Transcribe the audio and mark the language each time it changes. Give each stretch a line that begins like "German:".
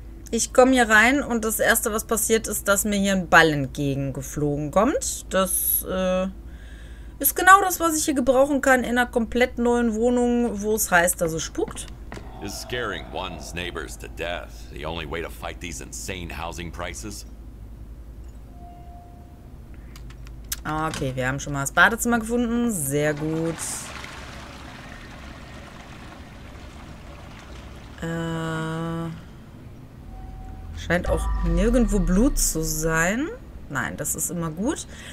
German: Ich komme hier rein und das Erste, was passiert ist, dass mir hier ein Ball entgegengeflogen kommt. Das ist genau das, was ich hier gebrauchen kann in einer komplett neuen Wohnung, wo es heißt, dass es spukt.
English: Is scaring one's neighbors to death the only way to fight these insane housing prices?
German: Okay, wir haben schon mal das Badezimmer gefunden. Sehr gut. Scheint auch nirgendwo Blut zu sein. Nein, das ist immer gut.